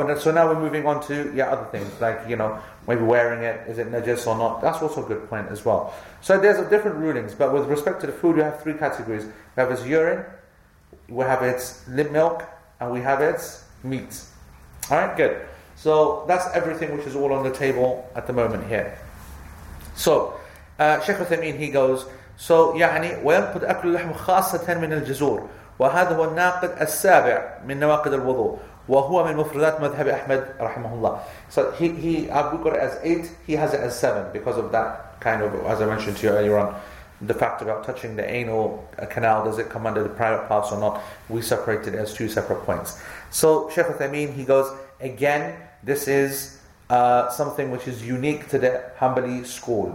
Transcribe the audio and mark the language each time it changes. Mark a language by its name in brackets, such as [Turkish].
[English] Oh, so now we're moving on to other things, like, you know, maybe wearing it, is it najis or not? That's also a good point as well. So there's a different rulings, but with respect to the food, we have three categories. We have its urine, we have its milk, and we have its meat. Alright, good. So that's everything which is all on the table at the moment here. So, Sheikh Uthaymeen, he goes, so, [Arabic] يعني وينقد أكل اللحم خاصة من الجزور وهذا هو الناقد السابع من نواقد الوضوء وهو من مفردات مذهب أحمد رحمه الله. [English] So he I've got it as 8, he has it as 7 because of that kind of, as I mentioned to you earlier on, the fact about touching the anal canal, does it come under the private parts or not? We separated it as 2 separate points. So Sheikh Uthaymeen, he goes, again, this is something which is unique to the Hanbali school.